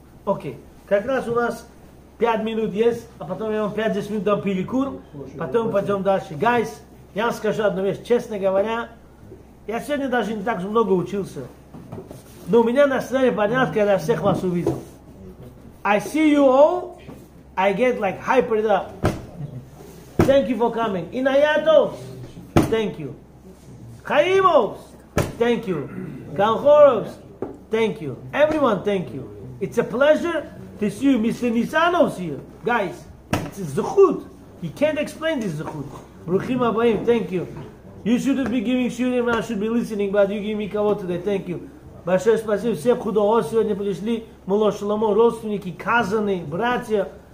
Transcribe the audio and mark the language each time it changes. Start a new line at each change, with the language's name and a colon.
Russian: Окей. Как раз у нас 5 минут есть, а потом я вам 5-10 минут дам перекур, потом пойдем дальше. Гайс, я вам скажу одну вещь, честно говоря, я сегодня даже не так много учился, но у меня настроение поднялось, когда я всех вас увидел.
English: I see you all, I get like hyped up. Thank you for coming. Inayato. Thank you. Chaimovs. Thank you. Kalhorovs. Thank you. Everyone, thank you. It's a pleasure to see you. Mr. Nisanov's here. Guys, it's Zuchut. You can't explain this Zuchut. Ruchim Abayim, thank you. You shouldn't be giving shurim, I should be listening, but you give me kavod today. Thank you.
Russian: Большое спасибо всем, кто сегодня пришли. Мало шаломо, родственники, казаны, братья.